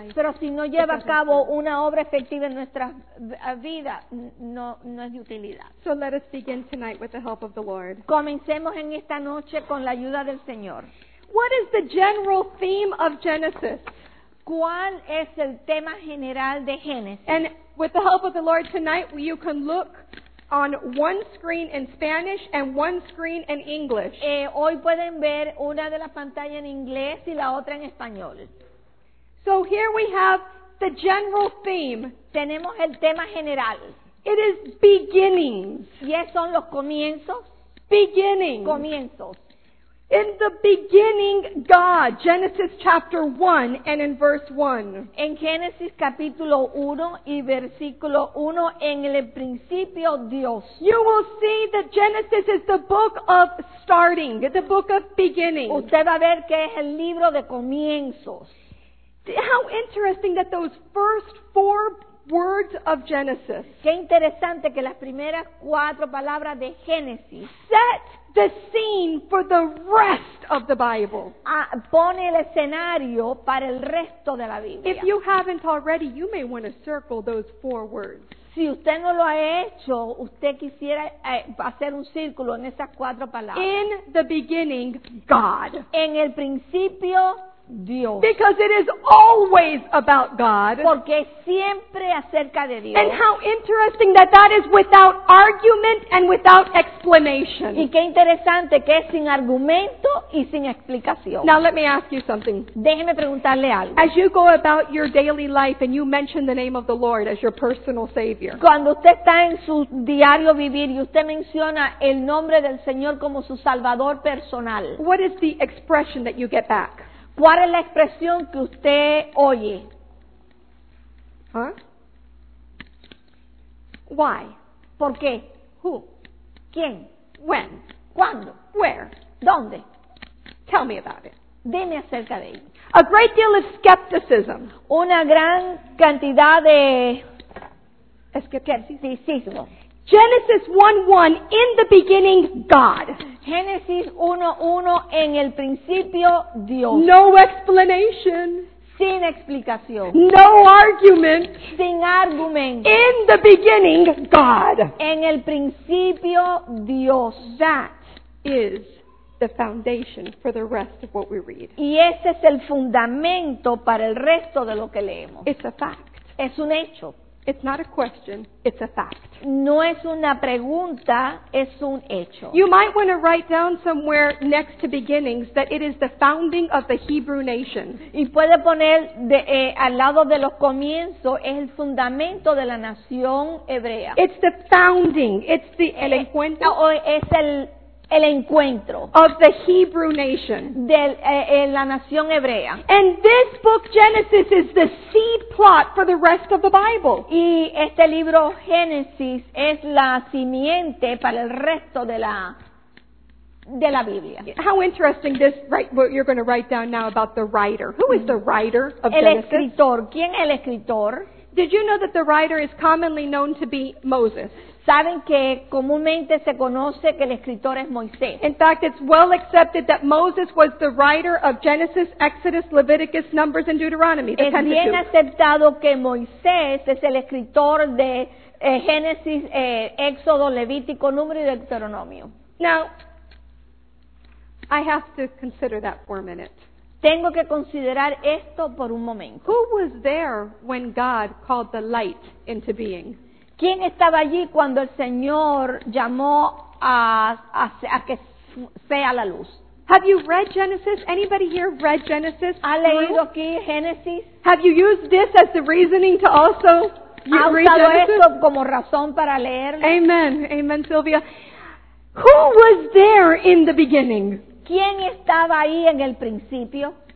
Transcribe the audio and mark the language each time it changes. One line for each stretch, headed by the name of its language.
Spanish: Pero si no lleva a cabo una obra efectiva en nuestra vida, no es de utilidad.
English: So let us begin tonight with the help of the Lord.
Spanish: Comencemos en esta noche con la ayuda del Señor.
English: What is the general theme of Genesis?
Spanish: ¿Cuál es el tema general de Génesis?
English: And with the help of the Lord tonight, you can look on one screen in Spanish and one screen in English.
Spanish: Hoy pueden ver una de las pantallas en inglés y la otra en español.
English: So here we have the general theme.
Spanish: Tenemos el tema general.
English: It is beginnings.
Spanish: ¿Y esos son los comienzos?
English: Beginnings.
Spanish: Comienzos.
English: In the beginning, God, Genesis chapter 1 and in verse 1.
Spanish: En Génesis capítulo 1 y versículo 1, en el principio Dios.
English: You will see that Genesis is the book of starting, the book of beginning.
Spanish: Usted va a ver que es el libro de comienzos.
English: How interesting that those first four words of Genesis.
Spanish: Qué interesante que las primeras cuatro palabras de Génesis
English: set the scene for the rest of the Bible.
Spanish: Pone el escenario para el resto de la Biblia.
English: If you haven't already, you may want to circle those four words.
Spanish: Si usted no lo ha hecho, usted quisiera hacer un círculo en esas cuatro palabras.
English: In the beginning, God.
Spanish: En el principio, Dios.
English: Because it is always about God.
Spanish: Porque siempre acerca de Dios.
English: And how interesting that that is without argument and without explanation.
Spanish: Y qué interesante que es sin argumento y sin explicación.
English: Now let me ask you something.
Spanish: Déjeme preguntarle algo.
English: As you go about your daily life and you mention the name of the Lord as your personal Savior.
Spanish: Cuando usted está en su diario vivir y usted menciona el nombre del Señor como su Salvador personal.
English: What is the expression that you get back?
Spanish: ¿Cuál es la expresión que usted oye? Huh?
English: Why?
Spanish: ¿Por qué?
English: Who?
Spanish: ¿Quién?
English: When?
Spanish: ¿Cuándo?
English: Where?
Spanish: ¿Dónde?
English: Tell me about it.
Spanish: Dime acerca de ello.
English: A great deal of skepticism.
Spanish: Una gran cantidad de escepticismo.
English: Genesis 1:1, in the beginning, God.
Spanish: Génesis 1:1, en el principio, Dios.
English: No explanation.
Spanish: Sin explicación.
English: No argument.
Spanish: Sin argumento.
English: In the beginning, God.
Spanish: En el principio, Dios.
English: That is the foundation for the rest of what we read.
Spanish: Y ese es el fundamento para el resto de lo que leemos.
English: It's a fact.
Spanish: Es un hecho.
English: It's not a question, it's a fact.
Spanish: No es una pregunta, es un hecho.
English: You might want to write down somewhere next to beginnings that it is the founding of the Hebrew nation.
Spanish: Y puede poner al lado de los comienzos, es el fundamento de la nación hebrea.
English: It's the founding, it's the
Spanish: el encuentro. Es el encuentro
English: of the Hebrew nation,
Spanish: la nación hebrea.
English: And this book Genesis is the seed plot for the rest of the Bible.
Spanish: Y este libro Génesis es la simiente para el resto de la Biblia.
English: How interesting this, right, what you're going to write down now about the writer. Who is the writer of
Spanish: el
English: Genesis?
Spanish: Escritor. ¿Quién es el escritor?
English: Did you know that the writer is commonly known to be Moses?
Spanish: Saben que comúnmente se conoce que el escritor es Moisés.
English: In fact, it's well accepted that Moses was the writer of Genesis, Exodus, Leviticus, Numbers, and Deuteronomy.
Spanish: Es bien aceptado que Moisés es el escritor de Génesis, Éxodo, Levítico, Número y Deuteronomio.
English: Now, I have to consider that for a minute.
Spanish: Tengo que considerar esto por un momento.
English: Who was there when God called the light into being?
Spanish: ¿Quién estaba allí cuando el Señor llamó a que sea la luz?
English: Have you read Genesis? Anybody here read Genesis?
Spanish: ¿Ha leído aquí Génesis?
English: Have you used this as the reasoning to also read Genesis?
Spanish: ¿Ha usado esto como razón para leerlo?
English: Amen. Amen, Sylvia. Who was there in the beginning?
Spanish: ¿Quién estaba ahí en el principio?